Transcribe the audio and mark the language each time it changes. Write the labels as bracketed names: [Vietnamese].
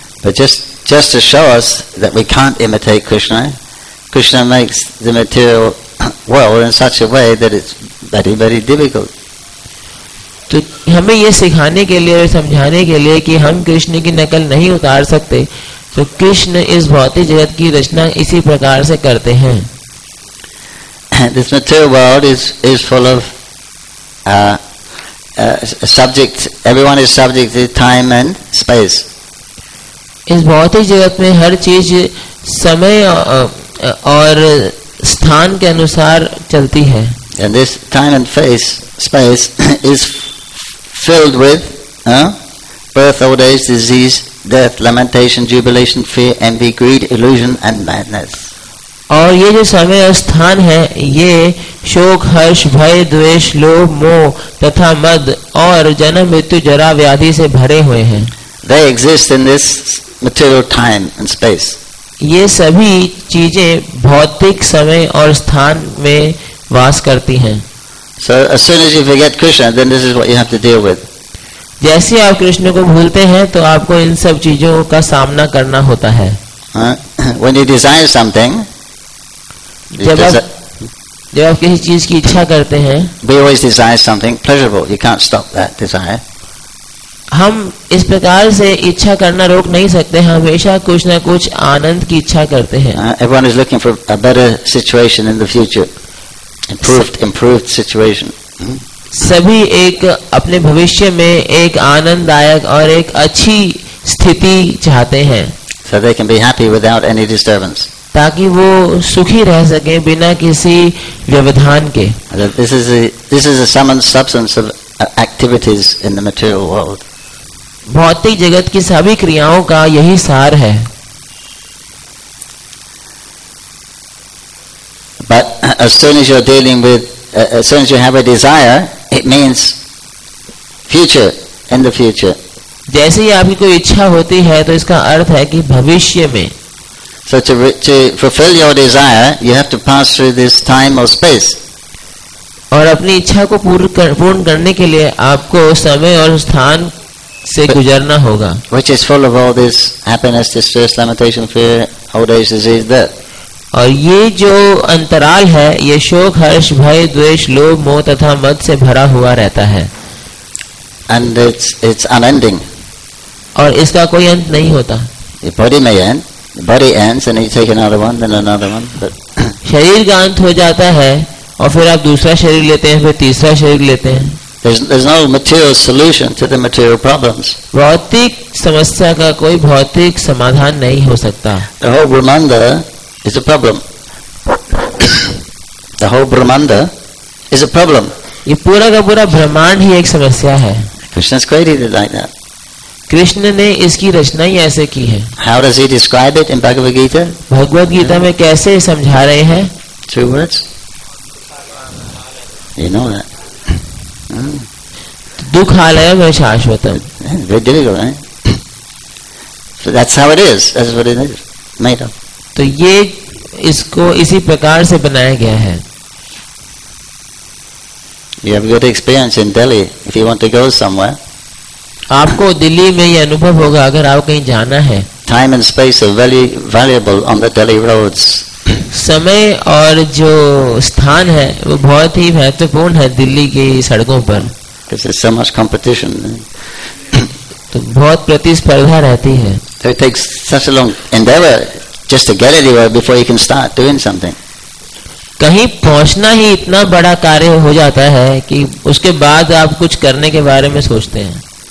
[English] But just to show us that we can't imitate Krishna, Krishna makes the material world in such a way that it's very, very difficult. [Hindi] तो हमें ये सिखाने के लिए और समझाने के लिए कि हम कृष्ण की नकल नहीं उतार सकते, तो कृष्ण इस भौतिक जगत की रचना इसी प्रकार से करते हैं। [English] This material world is full of subject. Everyone is subject to time and space. [Hindi] इस भौतिक जगत में हर चीज समय और स्थान के अनुसार चलती है। [English] And this time and space is filled with birth, old age, disease, death, lamentation, jubilation, fear, envy, greed, illusion, and madness. [Hindi] और ये जो समय और स्थान है ये शोक हर्ष भय द्वेष लोभ मोह तथा मद और जन्म मृत्यु जरा व्याधि से भरे हुए हैं। [English] they exist in this material time and space. [Hindi] ये सभी चीजें भौतिक समय और स्थान में वास करती हैं. [English] So as soon as you forget Krishna, then this is what you have to deal with. [Hindi] जैसे ही आप कृष्ण को भूलते हैं, तो आपको इन सब चीजों का सामना करना होता है. [English] When you desire something, [Hindi] जब आप किसी चीज की इच्छा करते हैं, [English] we always desire something pleasurable. You can't stop that desire. [Hindi] हम इस प्रकार से इच्छा करना रोक नहीं सकते, हमेशा कुछ न कुछ आनंद की इच्छा करते हैं. [English] Everyone is looking for a better situation in the future, improved situation. [Hindi] सभी एक अपने भविष्य में एक आनंददायक और एक अच्छी स्थिति चाहते हैं. [English] So they can be happy without any disturbance. [Hindi] ताकि वो सुखी रह सके बिना किसी व्यवधान के. [English] This is a summon substance of activities in the material world. [Hindi] भौतिक जगत की सभी क्रियाओं का यही सार है. [English] But as soon as you're dealing with, as soon as you have a desire, it means future, in the future. [Hindi] जैसे ही आपकी कोई इच्छा होती है, तो इसका अर्थ है कि भविष्य में. [English] So to fulfill your desire, you have to pass through this time or space. [Hindi] और अपनी इच्छा को पूर्ण करने के लिए आपको समय और स्थान से गुजरना होगा. [English] Which is full of all this happiness, distress, lamentation, fear, old age, disease, death. [Hindi] और ये जो अंतराल है, ये शोक, हर्ष, भय, द्वेष, लोभ, मोह तथा मद से भरा हुआ रहता है. [English] And it's unending. [Hindi] और इसका कोई अंत नहीं होता. [English] The body may end, the body ends, and you take another one, then another one. But [Hindi] शरीर का अंत हो जाता है. और फिर आप दूसरा शरीर लेते हैं, फिर तीसरा शरीर लेते हैं. [English] There's no material solution to the material problems. [Hindi] भौतिक समस्या का कोई भौतिक समाधान नहीं हो सकता. [English] The whole Brahmanda is a problem. The whole Brahmanda is a problem. [Hindi] ये पूरा का पूरा ब्रह्मांड ही एक समस्या है. [English] Krishna's created it like that. [Hindi] Krishna ने इसकी रचना ही ऐसे की है. [English] How does he describe it in Bhagavad Gita? [Hindi] Bhagavad Gita में कैसे समझा रहे हैं? [English] Two words. You know that. [Sanskrit] Dukhalaya Vaishashvatam. [English] Very difficult, right? So that's how it is. That's what it is. Made up. [Hindi] तो ये इसको इसी प्रकार से बनाया गया है. [English] You have good experience in Delhi. If you want to go somewhere, [Hindi] आपको दिल्ली में ये अनुभव होगा अगर आप कहीं जाना है. [English] Time and space are very valuable on the Delhi roads. [Hindi] समय और जो स्थान है वो बहुत ही महत्वपूर्ण है दिल्ली की सड़कों पर. [English] Because there's so much competition. [Hindi] तो बहुत प्रतिस्पर्धा रहती है. [English] So it takes such a long endeavor just to get anywhere before you can start doing something. [Hindi] कहीं पहुंचना ही इतना बड़ा कार्य हो जाता है कि उसके बाद आप कुछ करने के बारे में सोचते हैं.